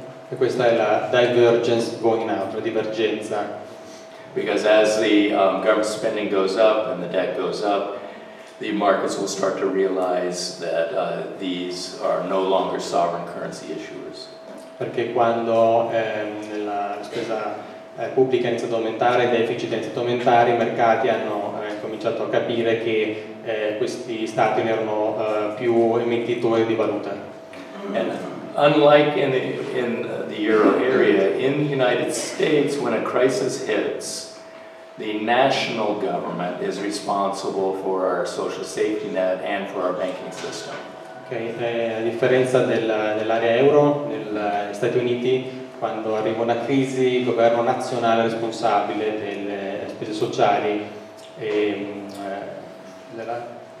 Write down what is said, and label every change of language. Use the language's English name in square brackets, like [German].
[Italian] E questa è la [English] divergence going out, [Italian] la divergenza. [English] Because as the government spending goes up and the debt goes up, the markets will start to realize that these are no longer sovereign currency issuers. [Italian] Perché quando la spesa pubblica inizia ad aumentare, il deficit inizia ad aumentare, i mercati hanno cominciato a capire che questi stati non erano più emettitori di valuta. [English] And unlike in the euro area, in the United States, when a crisis hits, the national government is responsible for our social safety net and for our banking system. [Italian] Okay, a differenza dell'area euro, negli Stati Uniti, quando arriva una crisi, il governo nazionale è responsabile delle spese sociali e della